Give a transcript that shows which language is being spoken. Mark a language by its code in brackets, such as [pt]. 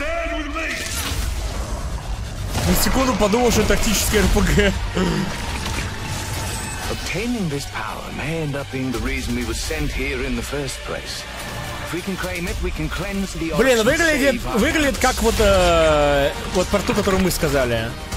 [ru] На секунду подумал, что это тактический RPG. [en] Obtaining this power may end up being the reason we were sent here in the first place. If we can claim it, we can cleanse the. [ru] Блин, выглядит как вот вот про ту, которую мы сказали.